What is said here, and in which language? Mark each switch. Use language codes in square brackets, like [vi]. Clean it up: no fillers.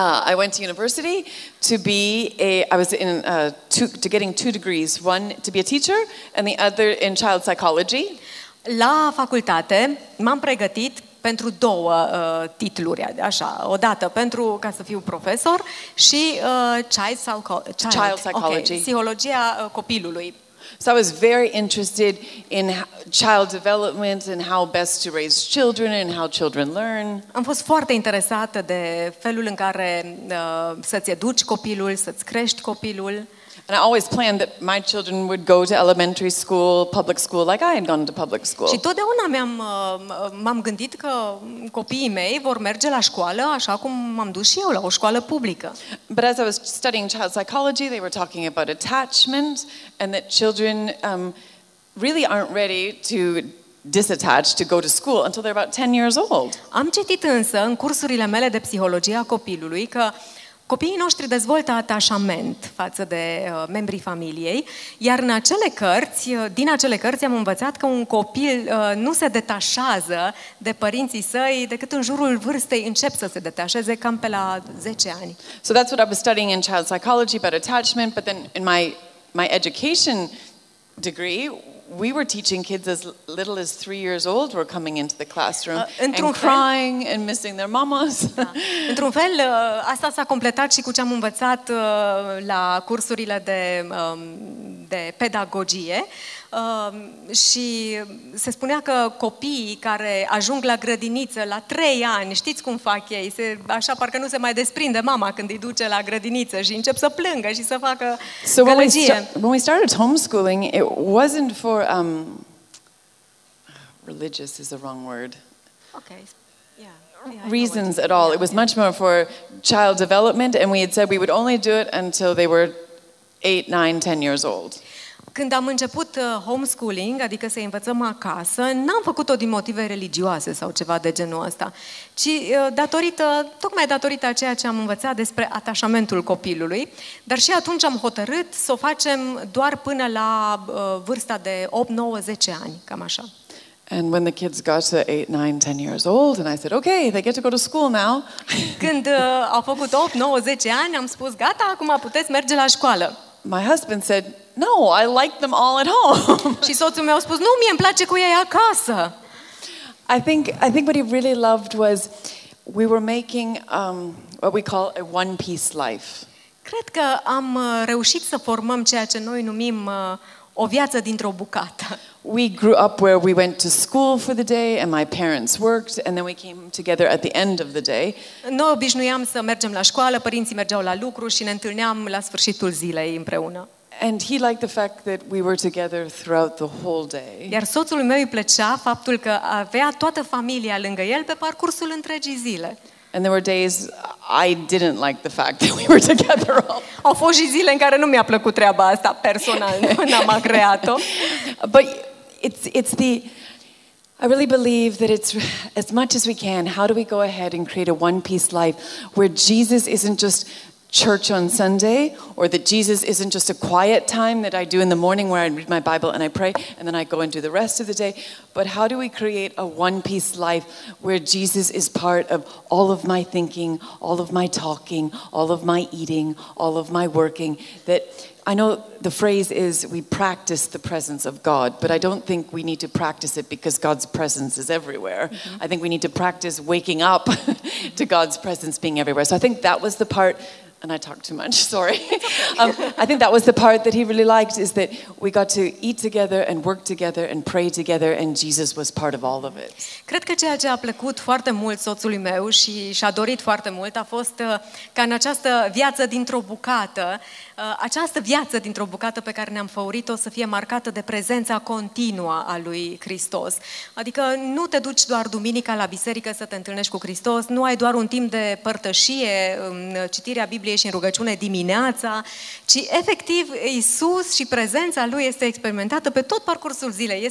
[en] I went to university to be getting two degrees, one to be a teacher and the other in child psychology. [ro] La facultate m-am pregătit pentru două titluri, așa, o dată pentru ca să fiu profesor și [en] child psychology. [ro] Okay, psihologia copilului. [en] So I was very interested in child development and how best to raise children and how children learn. [ro] Am fost foarte interesată de felul în care să-ți educi copilul, să-ți crești copilul. [en] And I always planned that my children would go to elementary school, public school, like I had gone to public school. [ro] Și totdeauna m-am gândit că copiii mei vor merge la școală așa cum m-am dus și eu, la o școală publică. [en] But as I was studying child psychology, they were talking about attachment and that children really aren't ready to disattach, to go to school until they're about 10 years old. [ro] Am citit însă în cursurile mele de psihologie a copilului că copiii noștri dezvoltă atașament față de membrii familiei, iar în acele cărți, din acele cărți am învățat că un copil nu se detașează de părinții săi decât în jurul vârstei încep să se detașeze cam pe la 10 ani. [en] So that's what I was studying in child psychology about attachment, but then in my education degree we were teaching kids as little as 3 years old were coming into the classroom and crying and missing their mamas. [ro] Într-un fel, asta s-a completat și cu ce am învățat la cursurile de pedagogie. Și se spunea că copiii care ajung la grădiniță la 3 ani, știți cum fac ei, așa parcă nu se mai desprinde mama când îi duce la grădiniță și încep să plângă și să facă gălăgie. [en] So when we started homeschooling, it wasn't for religious is the wrong word. Okay. Reasons at all. It was much more for child development and we had said we would only do it until they were 8, 9, 10 years old. [ro] Când am început homeschooling, adică să învățăm acasă, n-am făcut-o din motive religioase sau ceva de genul ăsta, ci tocmai datorită a ceea ce am învățat despre atașamentul copilului, dar și atunci am hotărât să o facem doar până la vârsta de 8, 9, 10 ani, cam așa. [en] And when the kids got to 8, 9, 10 years old, and I said, okay, they get to go to school now. [ro] Când au făcut 8, 9, 10 ani, am spus, gata, acum puteți merge la școală. [en] My husband said, no, I like them all at home. [ro] Și soțul meu a spus, nu, mie îmi place cu ei acasă. [en] I think what he really loved was we were making what we call a one piece life. [ro] Cred că am reușit să formăm ceea ce noi numim o viață dintr-o bucată. [en] We grew up where we went to school for the day and my parents worked and then we came together at the end of the day. [ro] Noi obișnuiam să mergem la școală, părinții mergeau la lucru și ne întâlneam la sfârșitul zilei împreună. [en] And he liked the fact that we were together throughout the whole day. [ro] Iar soțul meu îi plăcea faptul că avea toată familia lângă el pe parcursul întregii zile. [en] And there were days I didn't like the fact that we were together all. [ro] Au fost și zile în care nu mi-a plăcut treaba asta personal, n-am creat-o. [en] But I really believe that it's as much as we can, how do we go ahead and create a one piece life where Jesus isn't just church on Sunday, or that Jesus isn't just a quiet time that I do in the morning where I read my Bible and I pray and then I go and do the rest of the day, but how do we create a one piece life where Jesus is part of all of my thinking, all of my talking, all of my eating, all of my working, that I know the phrase is we practice the presence of God, but I don't think we need to practice it because God's presence is everywhere. Mm-hmm. I think we need to practice waking up to God's presence being everywhere. So I think that was the part And I talk too much, sorry. I think that was the part that he really liked, is that we got to eat together and work together and pray together, and Jesus was part of all of it. [ro] Cred că ceea ce a plăcut foarte mult soțului meu și și-a dorit foarte mult a fost ca în această viață dintr-o bucată, această viață dintr-o bucată pe care ne-am făurit-o să fie marcată de prezența continuă a lui Hristos. Adică nu te duci doar duminica la biserică să te întâlnești cu Hristos, nu ai doar un timp de părtășie, citirea Bibliei și în rugăciune dimineața, ci efectiv Iisus și prezența Lui este experimentată pe tot parcursul zilei.